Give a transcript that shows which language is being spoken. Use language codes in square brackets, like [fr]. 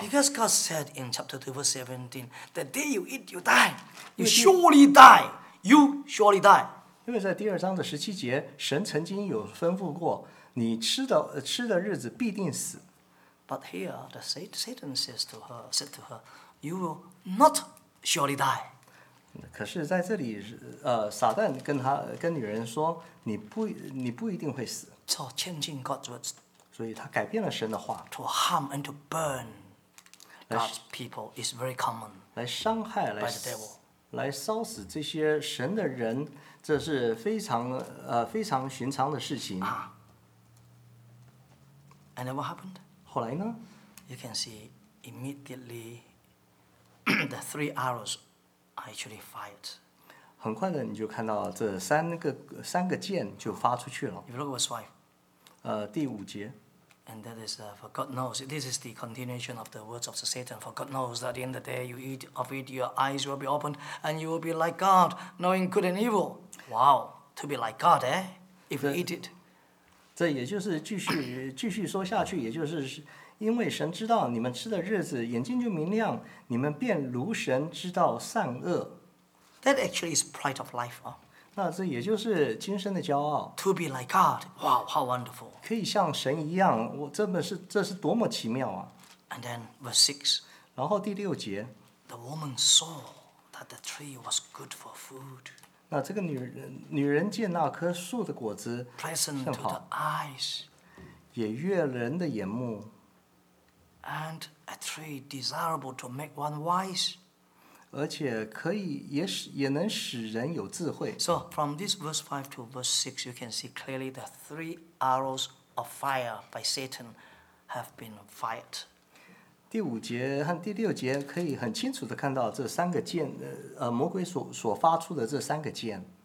[en] Because God said in chapter 2 verse 17, the day you eat, you die. You surely die. You surely die. [zh] 因为在第二章的十七节，神曾经有吩咐过，你吃的日子必定死。 [en] But here, the Satan said to her, "You will not surely die." [zh] 可是在这里，撒旦跟女人说，你不一定会死。 [en] So changing God's words. [zh] 所以他改变了神的话。 [en] To harm and to burn God's people is very common. [zh] 来伤害来。 [en] By the devil. [zh] 来烧死这些神的人，这是非常寻常的事情。 [en] And then what happened? [zh] 后来呢 [en] ？You can see immediately the three arrows actually fired. [zh] 很快的，你就看到这三个箭就发出去了。 [en] You look at verse five. [zh] 第五节。 [en] And that is for God knows. This is the continuation of the words of Satan. For God knows that in the day you eat of it, your eyes will be opened, and you will be like God, knowing good and evil. Wow, to be like God, eh? If you eat it. [zh] 这也就是继续说下去，也就是因为神知道你们吃的日子，眼睛就明亮，你们便如神知道善恶。 [en] That actually is pride of life. [zh] 那这也就是今生的骄傲。 [en] To be like God, wow, how wonderful. [zh] 可以像神一样，我真的是，这是多么奇妙啊。 [en] And then verse 6. [zh] 然后第六节。 [en] The woman saw that the tree was good for food. [zh] 那这个女人见那棵树的果子 [en] Pleasant to the eyes. [zh] 也悦人的眼目。 [en] And a tree desirable to make one wise. [zh] 而且可以 也能使人有智慧。 [en] So from this verse 5 to verse 6, you can see clearly the three arrows of fire by Satan have been fired. [zh] 第五节和第六节可以很清楚地看到这三个箭，魔鬼 所发出的这三个箭。